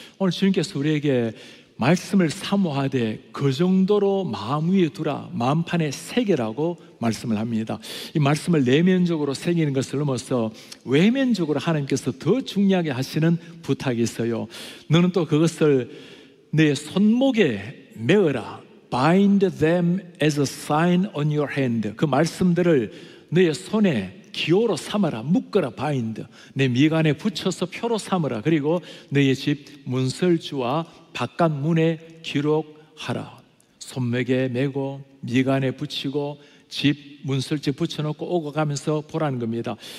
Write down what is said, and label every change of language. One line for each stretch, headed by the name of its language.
Korean: 오늘 주님께서 우리에게 말씀을 사모하되 그 정도로 마음 위에 두라, 마음판에 새기라고 말씀을 합니다. 이 말씀을 내면적으로 새기는 것을 넘어서 외면적으로 하나님께서 더 중요하게 하시는 부탁이 있어요. 너는 또 그것을 내 손목에 매어라.
English: Bind them as a sign on your hand.
Korean: 그 말씀들을 너의 손에 기호로 삼아라, 묶어라, bind. 내 미간에 붙여서 표로 삼으라. 그리고 너의 집 문설주와 바깥 문에 기록하라. 손목에 메고 미간에 붙이고 집 문설주 붙여놓고 오고 가면서 보라는 겁니다.